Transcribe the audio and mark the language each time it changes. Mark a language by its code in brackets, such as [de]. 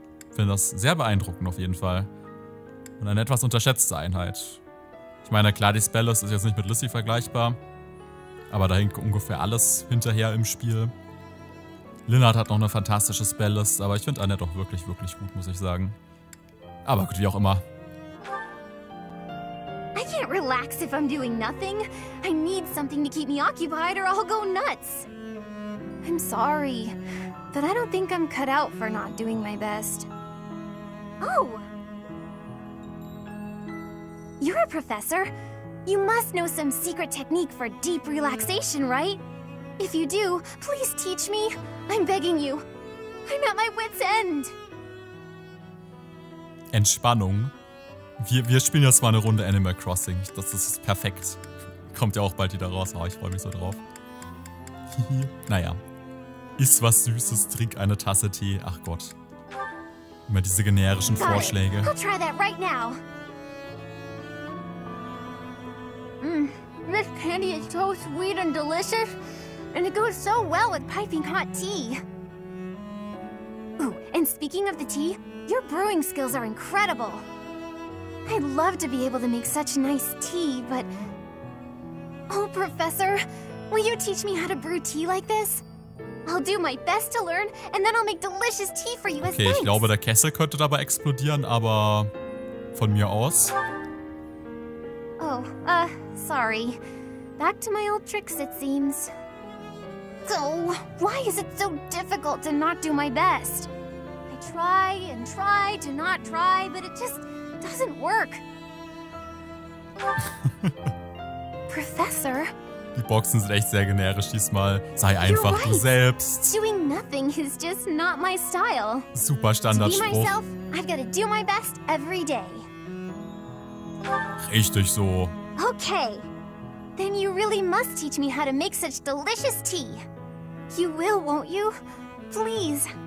[de] Ich finde das sehr beeindruckend auf jeden Fall. Und eine etwas unterschätzte Einheit. Ich meine, klar, die Spellos ist jetzt nicht mit Lissy vergleichbar, aber da hängt ungefähr alles hinterher im Spiel. Lynard hat noch eine fantastische Spelllist, aber ich finde Annette doch wirklich, wirklich gut, muss ich sagen. Aber gut, wie auch immer. [en] I can't relax if I'm doing nothing. I need something to keep me occupied or I'll go nuts. I'm sorry, but I don't think I'm cut out for not doing my best. Oh! You're a professor. You must know some secret technique for deep relaxation, right? If you do, please teach me. I'm begging you. I'm at my wit's end. [de] Entspannung. Wir spielen jetzt mal eine Runde Animal Crossing. Das ist perfekt. Kommt ja auch bald wieder raus. Oh, ich freue mich so drauf. Naja. Iss was Süßes, trink eine Tasse Tee. Ach Gott. Immer diese generischen Vorschläge. [en] I'll try that right now. Mm, this candy is so sweet and delicious. And it goes so well with piping hot tea. Ooh, and speaking of the tea, your brewing skills are incredible. I'd love to be able to make such nice tea, but... Oh, Professor, will you teach me how to brew tea like this? I'll do my best to learn, and then I'll make delicious tea for you as thanks. [de] Okay, ich glaube, der Kessel könnte dabei explodieren, aber... von mir aus. [en] Oh, sorry. Back to my old tricks, it seems. So, why is it so difficult to not do my best? I try and try to not try, but it just doesn't work. Professor? [de] Die Boxen sind echt sehr generisch diesmal. Sei einfach du selbst. [en] Doing nothing is just not my style. [de] Super Standardspruch. [en] To be myself, I've got to do my best every day. [de] Richtig so. Okay. [en] Then you really must teach me how to make such delicious tea. You will, won't you? Please.